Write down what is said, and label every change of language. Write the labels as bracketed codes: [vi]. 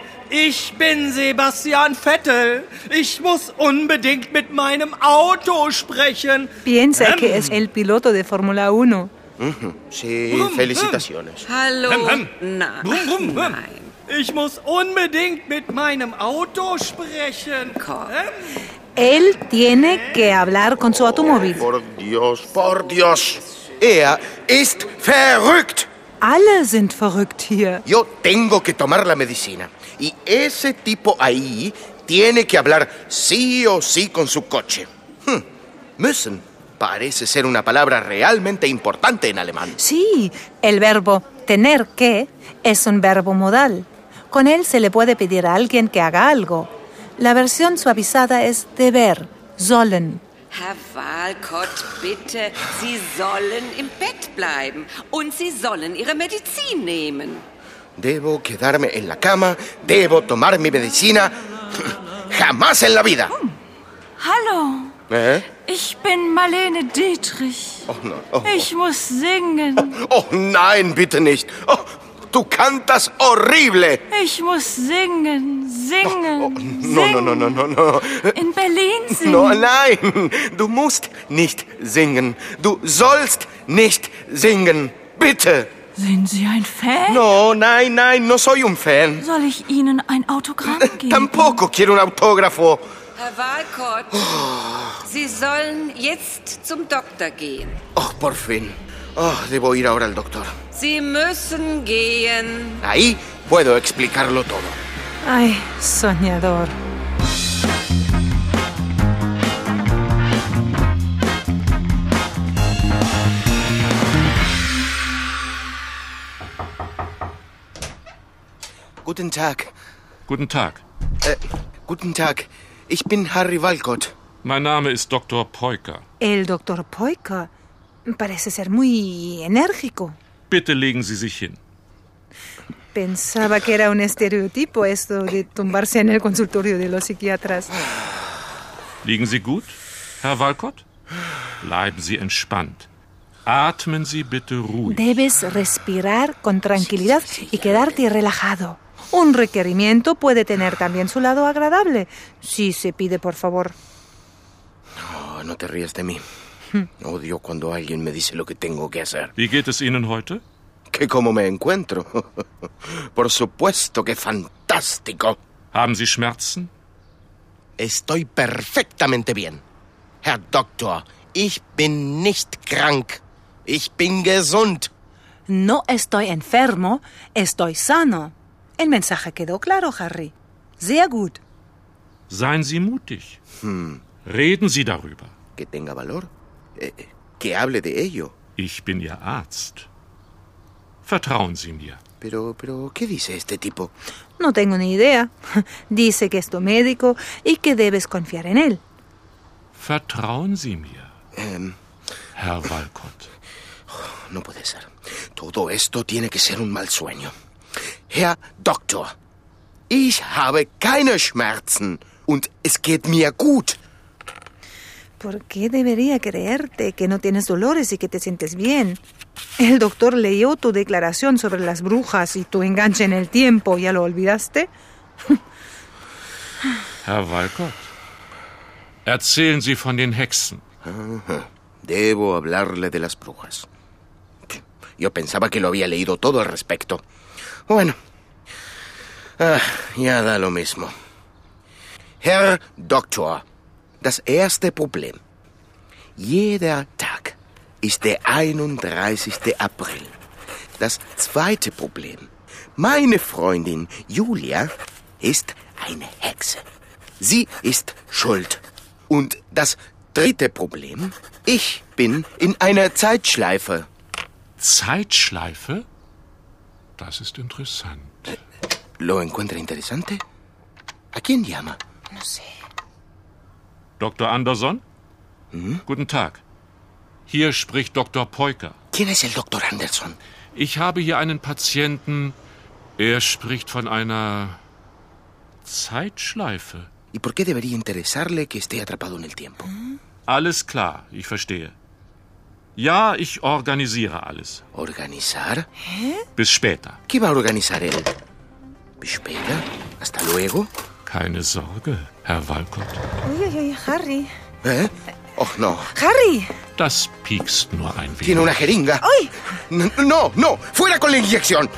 [de] Ich bin Sebastian Vettel. Ich muss unbedingt mit meinem Auto sprechen. [es] Piensa que es el piloto de Fórmula 1. Sí, felicitaciones. [de] Hallo. Nein. Ich muss unbedingt mit meinem Auto sprechen. Komm. [es] Él tiene que hablar con su automóvil. Por Dios, [de] er ist verrückt. Alle sind verrückt hier. [es] Yo tengo que tomar la medicina. Y ese tipo ahí tiene que hablar sí o sí con su coche. Müssen parece ser una palabra realmente importante en alemán. Sí, el verbo tener que es un verbo modal. Con él se le puede pedir a alguien que haga algo. La versión suavizada es deber, sollen. [de] Herr Walcott, bitte, Sie sollen im Bett bleiben und Sie sollen Ihre Medizin nehmen. [es] Debo quedarme en la cama, debo tomar mi medicina, jamás en la vida. [de] Oh. Hallo, ich bin Marlene Dietrich. Ich muss singen. Oh nein, bitte nicht. Oh. Du [es] cantas horrible. [de] Ich muss singen, singen. [es] No. [de] In Berlin singen. No, nein. Du musst nicht singen. Du sollst nicht singen. Bitte. Sind Sie ein Fan? [es] No, nein, no soy un Fan. [de] Soll ich Ihnen ein Autogramm geben? [es] Tampoco quiero un autógrafo. [de] Herr Walcott, Sie sollen jetzt zum Doktor gehen. [es] Oh, por fin. Oh, debo ir ahora al doctor. [de] Sie müssen gehen. [es] Ahí puedo explicarlo todo. Ay, soñador. [de] Guten Tag. Guten Tag. Guten Tag. Ich bin Harry Walcott. Mein Name ist Dr. Peuker. [es] El Dr. Peuker? Parece ser muy enérgico. [de] Bitte legen Sie sich hin. [es] Pensaba que era un estereotipo esto de tumbarse en el consultorio de los psiquiatras. [de] Liegen Sie gut, Herr Walcott? Bleiben Sie entspannt. Atmen Sie bitte ruhig. [es] Debes respirar con tranquilidad y quedarte relajado. Un requerimiento puede tener también su lado agradable. Si se pide, por favor. No te rías de mí. Odio cuando alguien me dice lo que tengo que hacer. [de] Wie geht es Ihnen heute? [es] que como me encuentro. Por supuesto que fantástico. [de] Haben Sie Schmerzen? [es] Estoy perfectamente bien. [de] Herr Doktor, ich bin nicht krank. Ich bin gesund. [es] No estoy enfermo, estoy sano. El mensaje quedó claro, Harry. [de] Sehr gut. Seien Sie mutig. Reden Sie darüber. [es] Que tenga valor. Que hable de ello. [de] Ich bin Ihr Arzt. Vertrauen Sie mir. [es] Pero, ¿qué dice este tipo? No tengo ni idea. Dice que es tu médico y que debes confiar en él. [de] Vertrauen Sie mir, Herr Walcott. [es] No puede ser. Todo esto tiene que ser un mal sueño. [de] Herr Doktor, ich habe keine Schmerzen und es geht mir gut. [es] ¿Por qué debería creerte que no tienes dolores y que te sientes bien? El doctor leyó tu declaración sobre las brujas y tu enganche en el tiempo. ¿Ya lo olvidaste? Herr Walcott, erzählen Sie von den Hexen. Debo hablarle de las brujas. Yo pensaba que lo había leído todo al respecto. Bueno, ya da lo mismo. [de] Herr Doktor, das erste Problem. Jeder Tag ist der 31. April. Das zweite Problem. Meine Freundin Julia ist eine Hexe. Sie ist schuld. Und das dritte Problem. Ich bin in einer Zeitschleife. Zeitschleife? Das ist interessant. [es] ¿Lo encuentra interesante? ¿A quién llama? No sé. [de] Dr. Anderson? Guten Tag. Hier spricht Dr. Peuker. [es] ¿Quién es el Dr. Anderson? [de] Ich habe hier einen Patienten. Er spricht von einer Zeitschleife. [es] ¿Y por qué debería interesarle que esté atrapado en el tiempo? [de] Alles klar, ich verstehe. Ja, ich organisiere alles. [es] ¿Organizar? [de] Bis später. [es] ¿Qué va a organizar él? [de] Bis später? [es] Hasta luego? [de] Keine Sorge, Herr Walcott. Uiuiui, Harry. [es] Oh, no. Harry! [de] Das piekst nur ein wenig. [es] Tiene una jeringa. ¡Ay! No, no, fuera con la inyección.